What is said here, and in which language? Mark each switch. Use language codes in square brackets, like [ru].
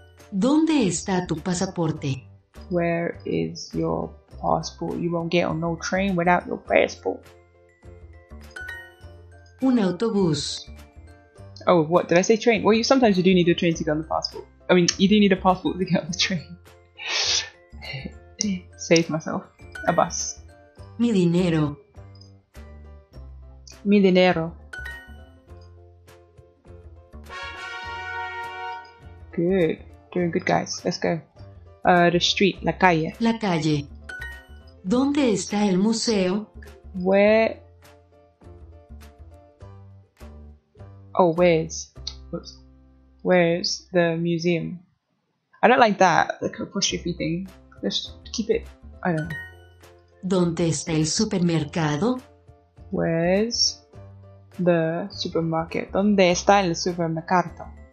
[es] ¿Dónde está tu pasaporte? [en] Where is your passport? You won't get on no train without your passport. [es] Un autobús. [en] Oh, what? Did I say train? Well, sometimes you do need a train to get on the passport. I mean, you do need a passport to get on the train. Save myself. A bus. [es] Mi dinero. Mi dinero. [en] Good. Doing good, guys. Let's go. The street. [es] La calle. La calle. ¿Dónde está el museo? [en] Where? Oh, where's? Oops. Where's the museum? I don't like that. Like a apostrophe thing. Let's keep it. I don't know. [es] ¿Dónde está el supermercado? [en] Where's the supermarket? [es] ¿Dónde está el supermercado?